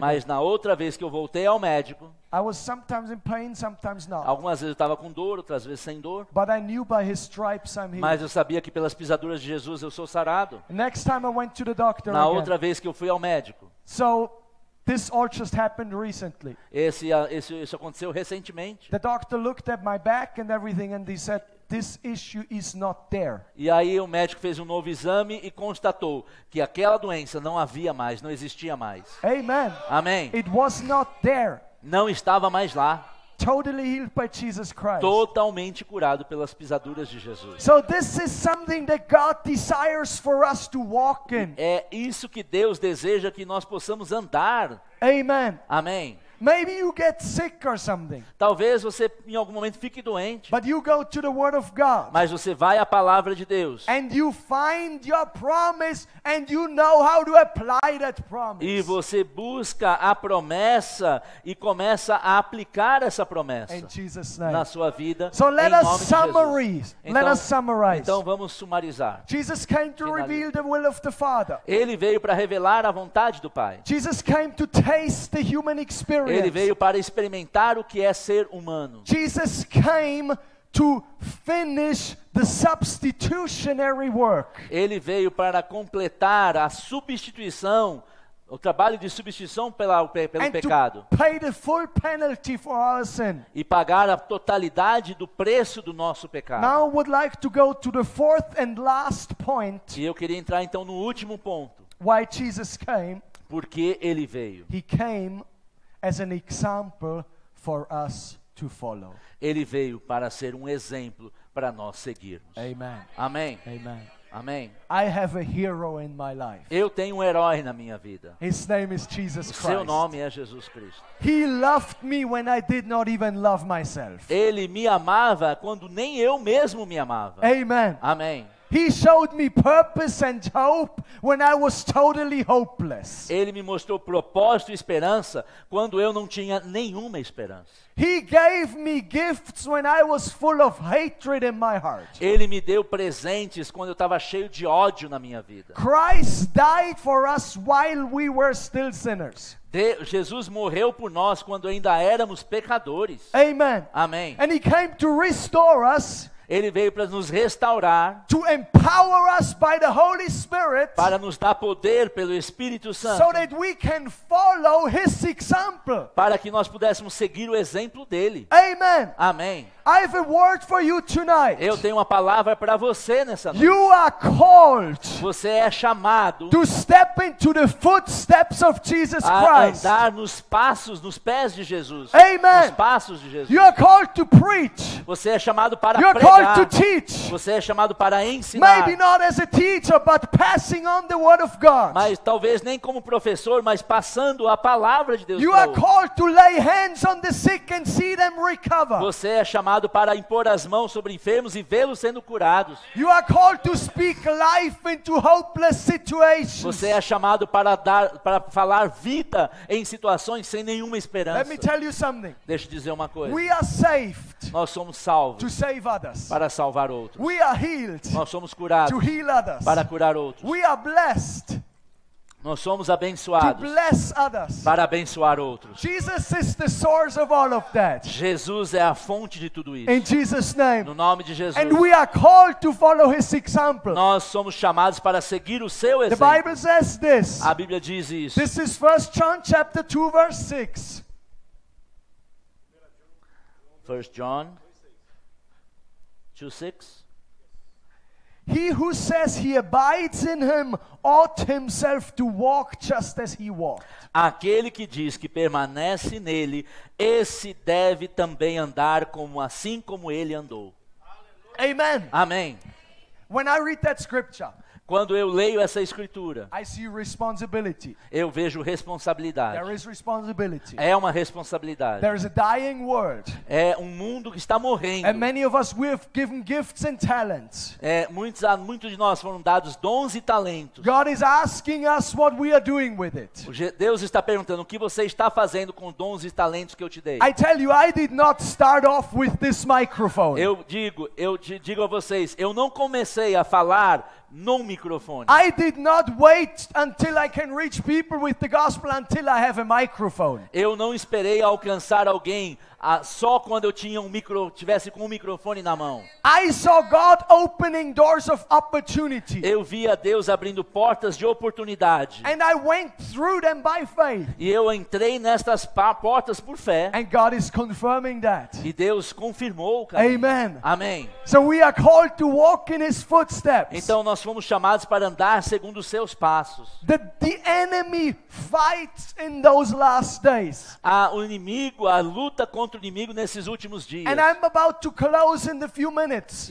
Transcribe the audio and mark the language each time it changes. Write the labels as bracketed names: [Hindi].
[Portuguese] mas na outra vez que eu voltei ao médico, [English] I was sometimes in pain, sometimes not. [Portuguese] Algumas vezes eu estava com dor, outras vezes sem dor. [English] But I knew by his stripes I'm healed. [Portuguese] Mas eu sabia que pelas pisaduras de Jesus eu sou sarado. [English] Next time I went to the doctor [Portuguese] na [English] again, [Portuguese] outra vez que eu fui ao médico. [English] So, this all just happened recently. [Portuguese] Isso aconteceu recentemente. [English] The doctor looked at my back and everything and he said, this issue is not there. [Portuguese] E aí o médico fez um novo exame e constatou que aquela doença não havia mais, não existia mais. [English] Amen. [Portuguese] Amém. [English] It was not there. [Portuguese] Não estava mais lá. [English] Totally healed by Jesus Christ. [Portuguese] Totalmente curado pelas pisaduras de Jesus. [English] So this is something that God desires for us to walk in. [Portuguese] É isso que Deus deseja que nós possamos andar. [English] Amen. [Portuguese] Amém. [English] Maybe you get sick or something. [Portuguese] Talvez você em algum momento fique doente. [English] But you go to the word of God. [Portuguese] Mas você vai à palavra de Deus. [English] And you find your promise and you know how to apply that promise. [Portuguese] E você busca a promessa e começa a aplicar essa promessa [English] in Jesus' name. [Portuguese] Na sua vida. [English] So let us summarize. Let us summarize. [Portuguese] Então vamos sumarizar. [English] Jesus came to reveal the will of the Father. [Portuguese] Ele veio para revelar a vontade do Pai. [English] Jesus came to taste the human experience. [Portuguese] Ele veio para experimentar o que é ser humano. [English] Jesus came to finish the substitutionary work. [Portuguese] Ele veio para completar a substituição, o trabalho de substituição pelo pecado. [English] And to pay the full penalty for our sin. [Portuguese] E pagar a totalidade do preço do nosso pecado. [English] Now I would like to go to the fourth and last point. [Portuguese] E eu queria entrar então no último ponto. [English] Why Jesus came? [Portuguese] Porque ele veio. [English] He came as an example for us to follow. [Portuguese] Ele veio para ser um exemplo para nós seguirmos. [English] Amen. [Portuguese] Amém. [English] Amen. [Portuguese] Amém. [English] I have a hero in my life. [Portuguese] Eu tenho um herói na minha vida. [English] His name is Jesus Christ. [Portuguese] Seu nome é Jesus Cristo. [English] He loved me when I did not even love myself. [Portuguese] Ele me amava quando nem eu mesmo me amava. [English] Amen. [Portuguese] Amém. [English] He showed me purpose and hope when I was totally hopeless. [Portuguese] Ele me mostrou propósito e esperança quando eu não tinha nenhuma esperança. [English] He gave me gifts when I was full of hatred in my heart. [Portuguese] Ele me deu presentes quando eu estava cheio de ódio na minha vida. [English] Christ died for us while we were still sinners. [Portuguese] Jesus morreu por nós quando ainda éramos pecadores. [English] Amen. [Portuguese] Amém. [English] And he came to restore us. [Portuguese] Ele veio para nos restaurar. [English] To empower us by the Holy Spirit, [Portuguese] para nos dar poder pelo Espírito Santo. [English] So that we can follow his example. [Portuguese] Para que nós pudéssemos seguir o exemplo dele. [English] Amen. [Portuguese] Amém. [English] I have a word for you tonight. [Portuguese] Eu tenho uma palavra para você nessa noite. [English] You are called. [Portuguese] Você é chamado. [English] To step into the footsteps of Jesus Christ. [Portuguese] A andar nos passos, nos pés de Jesus. [English] Amen. [Portuguese] Nos passos de Jesus. [English] You are called to preach. [Portuguese] Você é chamado para [English] you are [Portuguese] pregar. [English] Called to teach. [Portuguese] Você é chamado para ensinar. [English] Maybe not as a teacher, but passing on the word of God. [Portuguese] Mas talvez nem como professor, mas passando a palavra de Deus. [English] You are called to lay hands on the sick and see them recover. [Portuguese] Você é chamado para impor as mãos sobre enfermos e vê-los sendo curados. [English] You are called to speak life into hopeless situations. [Portuguese] Você é chamado para falar vida em situações sem nenhuma esperança. [English] Let me tell you something. [Portuguese] Deixa eu dizer uma coisa. [English] We are saved. [Portuguese] Nós somos salvos. [English] To save others. [Portuguese] Para salvar outros. [English] We are healed. [Portuguese] Nós somos curados. [English] To heal others. [Portuguese] Para curar outros. [English] We are blessed. [Portuguese] Nós somos abençoados [English] to bless others. [Portuguese] Para abençoar outros. [English] Jesus is the source of all of that. [Portuguese] Jesus é a fonte de tudo isso. [English] In Jesus' name. [Portuguese] No nome de Jesus. [English] And we are called to follow his example. [Portuguese] Nós somos chamados para seguir o seu exemplo. [English] The Bible says this. [Portuguese] A Bíblia diz isso. [English] This is 1 John chapter 2 verse 6. [Portuguese] 1 John 2:6. [English] He who says he abides in him ought himself to walk just as he walked. [Portuguese] Aquele que diz que permanece nele, esse deve também andar como assim como ele andou. [English] Amen. [Portuguese] Amém. [English] When I read that scripture, [Portuguese] quando eu leio essa escritura, [English] I see responsibility. [Portuguese] Eu vejo responsabilidade. [English] There is responsibility. [Portuguese] É uma responsabilidade. [English] There is a dying world. [Portuguese] É um mundo que está morrendo. [English] And many of us we have given gifts and talents. [Portuguese] É, muitos de nós foram dados dons e talentos. [English] God is asking us what we are doing with it. [Portuguese] Deus está perguntando o que você está fazendo com os dons e talentos que eu te dei. [English] I tell you, I did not start off with this microphone. [Portuguese] Eu digo a vocês, eu não comecei a falar num microfone. [English] I did not wait until I can reach people with the gospel until I have a microphone. [Portuguese] Eu não esperei alcançar alguém só quando eu tinha tivesse com um microfone na mão. [English] I saw God opening doors of opportunity. [Portuguese] Eu via Deus abrindo portas de oportunidade. [English] And I went through them by faith. [Portuguese] E eu entrei nestas portas por fé. [English] And God is confirming that. [Portuguese] E Deus confirmou, cara. [English] Amen. [Portuguese] Amém. [English] So we are called to walk in His footsteps. [Portuguese] Então nós fomos chamados para andar segundo os seus passos. [English] The enemy fights in those last days. [Portuguese] O inimigo, a luta contra o inimigo nesses últimos dias. [English] And I'm about to close in a few minutes.